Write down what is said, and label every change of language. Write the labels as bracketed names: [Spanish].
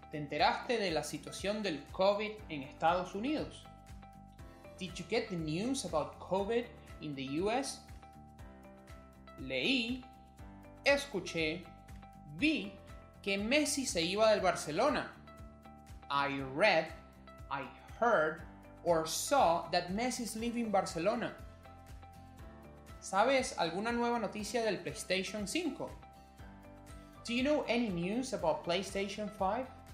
[Spanish] ¿Te enteraste de la situación del COVID en Estados Unidos? [English] Did you get the news about COVID in the US? [Spanish] Leí, escuché, vi que Messi se iba del Barcelona. [English] I read, I heard, or saw that Messi's leaving Barcelona. [Spanish] ¿Sabes alguna nueva noticia del PlayStation 5? [English] Do you know any news about PlayStation 5?